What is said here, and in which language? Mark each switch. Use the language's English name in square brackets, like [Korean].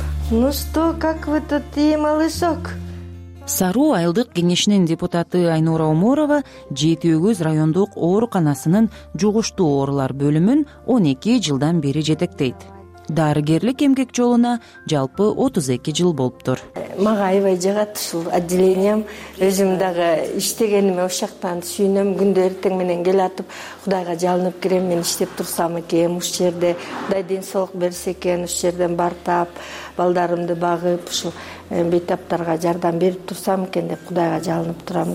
[Russian] Ну что, как вы тут, и малышок? [Kyrgyz] Сару айылдык кеңешинин депутаты Айнура Уморова жети өгүз райондук ооруканасынын жугуштуу оорулар бөлүмүн 12 жылдан бери жетектейт. Дарыгерлик эмгек жолуна жалпы 32 жыл болуптур. Мага аябай жагат ушул отделением. Өзүм дагы иштегениме ушактан сүйүнөм. Күндө эртең менен келатып, Кудайга жалынып кирем, мен иштеп турсам экен ушул жерде. Кудай ден соолук берсе экен, ушул жерден бартап, балдарымды багып, ушул бейтаптарга жардам берип турсам экен деп Кудайга жалынып турам.